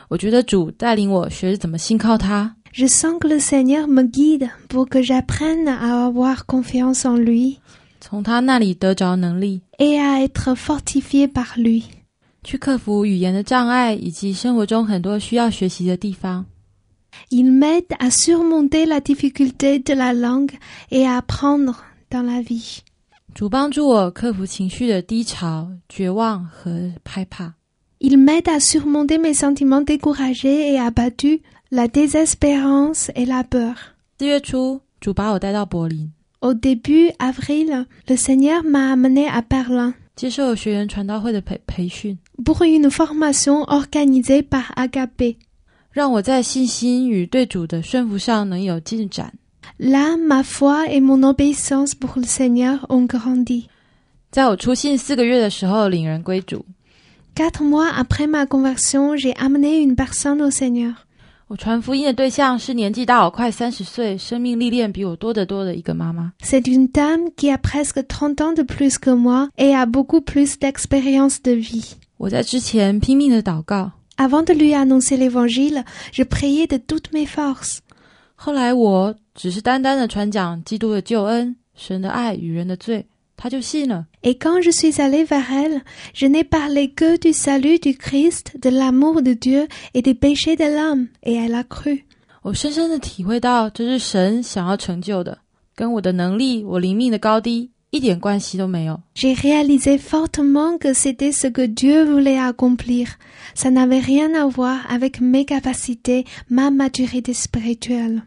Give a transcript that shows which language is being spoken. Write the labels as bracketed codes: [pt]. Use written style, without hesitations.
[zh] 我觉得主带领我学怎么信靠他。 [fr] Je sens que le Seigneur me guide pour que j'apprenne à avoir confiance en lui. [zh] 从他那里得着能力 [fr] et à être fortifié par lui. [zh] 去克服语言的障碍以及生活中很多需要学习的地方。 [fr] Il m'aide à surmonter la difficulté de la langue et à apprendre dans la vie. [zh] 主帮助我克服情绪的低潮、绝望和害怕。 [fr] Il m'aide à surmonter mes sentiments découragés et abattus, la désespérance et la peur. [zh] 四月初，主把我带到柏林。 [fr] Au début avril, le Seigneur m'a amené à Berlin. [zh] 接受学员传道会的培训。 [fr] Pour une formation organisée par Agape. [zh] 让我在信心与对主的顺服上能有进展。 [fr] Là, ma foi et mon obéissance pour le Seigneur ont grandi. [zh] 在我出信四个月的时候，领人归主。 [fr] Quatre mois après ma conversion, j'ai amené une personne au Seigneur. [zh] 我传福音的对象是年纪大我快30岁，生命历练比我多得多的一个妈妈。 [fr] C'est une dame qui a presque 30 ans de plus que moi et a beaucoup plus d'expérience de vie. [zh] 我在之前拼命的祷告。 [fr] Avant de lui annoncer l'Évangile, je priais de toutes mes forces. [zh] 后来我只是单单的传讲基督的救恩、神的爱与人的罪，他就信了。 [fr] Et quand je suis allée vers elle, je n'ai parlé que du salut du Christ, de l'amour de Dieu et des péchés de l'homme, et elle a cru. [zh] 我深深的体会到，这是神想要成就的，跟我的能力、我灵命的高低一点关系都没有。 [fr] J'ai réalisé fortement que c'était ce que Dieu voulait accomplir. Ça n'avait rien à voir avec mes capacités, ma maturité spirituelle.